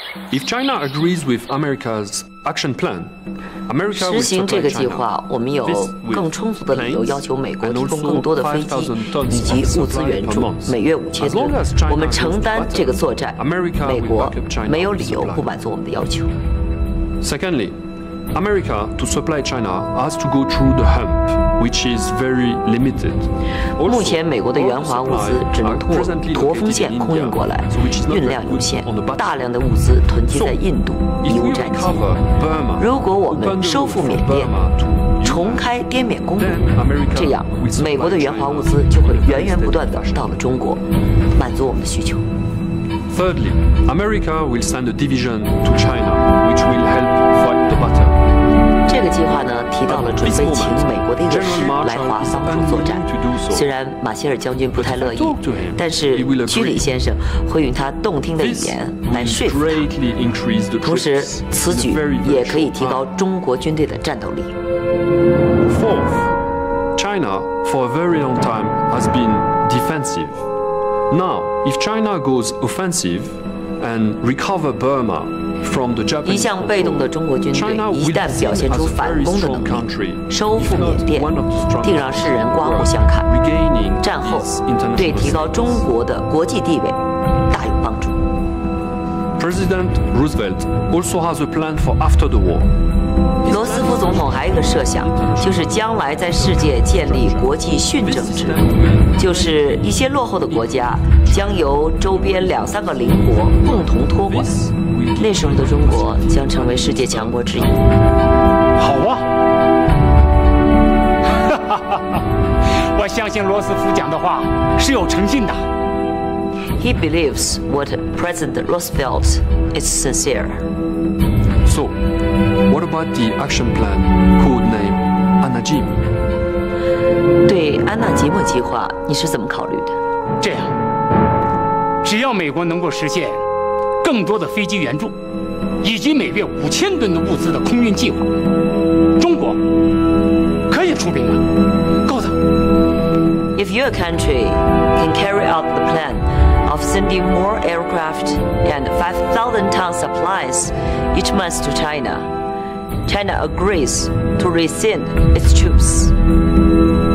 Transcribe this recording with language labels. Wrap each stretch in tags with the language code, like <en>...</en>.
<en>If China agrees with America's action plan, America will supply China.</en> <zh>我们有更充足的理由要求美国提供更多的飞机以及物资援助，每月5000吨。我们承担这个作战，美国没有理由不满足我们的要求。</zh> <en>Secondly, America to supply China has to go through the hump, which is very limited.</en> <zh>目前美国的援华物资只能通过驼峰线空运过来，运量有限，大量的物资囤积在印度，贻误战机。如果我们收复缅甸，重开滇缅公路，这样美国的援华物资就会源源不断地到了中国，满足我们的需求。</zh> <en>Thirdly, America will send a division to China, which will help fight the battle.</en> <zh>这个计划呢，提到了准备请美国的一个师来华帮助作战。虽然马歇尔将军不太乐意，但是居里先生会用他动听的语言来说服他。同时，此举也可以提高中国军队的战斗力。</zh> <en>Fourth, China for a very long time has been defensive. Now, if China goes offensive and recover Burma,</en> <zh>一向被动的中国军队一旦表现出反攻的能力，收复缅甸定让世人刮目相看，战后对提高中国的国际地位大有帮助。</zh> <en>President Roosevelt also has a plan for after the war。</en> <zh>罗斯福总统还有一个设想，就是将来在世界建立国际训政制度，就是一些落后的国家将由周边两三个邻国共同托管，那时候的中国将成为世界强国之一。好啊，我相信罗斯福讲的话是有诚信的。</zh> <en>He believes what President Roosevelt is sincere。 So, what about the action plan code name Anna Jim?</en> <zh>对安娜吉姆计划你是怎么考虑的？这样，只要美国能够实现更多的飞机援助以及每月5000吨的物资的空运计划，中国可以出兵了。够的。</zh> <en>If your country can carry out the planOf sending more aircraft and 5,000 ton supplies each month to China, China agrees to resend its troops.</en>